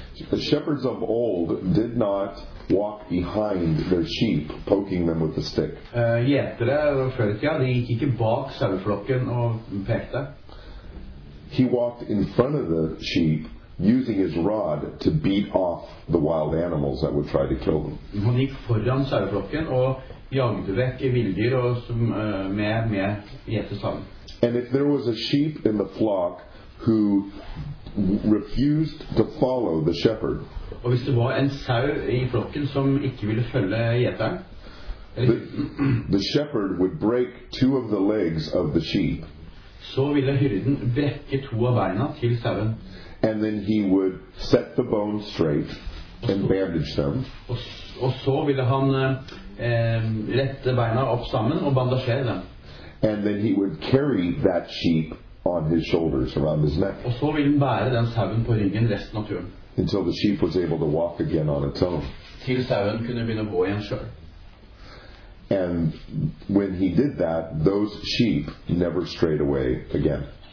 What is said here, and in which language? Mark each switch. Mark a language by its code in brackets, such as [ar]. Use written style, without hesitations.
[en] The shepherds of old did not walk behind their sheep, poking them with a stick. [no] Gjetere før i tida, de gikk ikke bak saueflokken og pekte. [en] He walked in front of the sheep using his rod to beat off the wild animals that would try to kill them. [no] Han gikk foran saueflokken og jagde vekk villdyr og som med gjetestaven. [en] And if there was a sheep in the flock who refused to follow the shepherd. [no] Og hvis det var en sau i flokken som ikke ville følge gjeteren. [en] The shepherd would break two of the legs of the sheep. [no] Så ville hyrden brekke to av beina til sauen. [en] And then he would set the bones straight and bandage them. [no] Og så ville han rette beina opp sammen og bandasjere dem. [en] And then he would carry that sheep on his shoulders around his neck. [no] Og så ville han bære den sauen på ryggen resten av turen. [en] Until the sheep was able to walk again on its own. [no] Til sauen kunne begynne å gå igjen selv. [en] And when he did that, those sheep never strayed away again.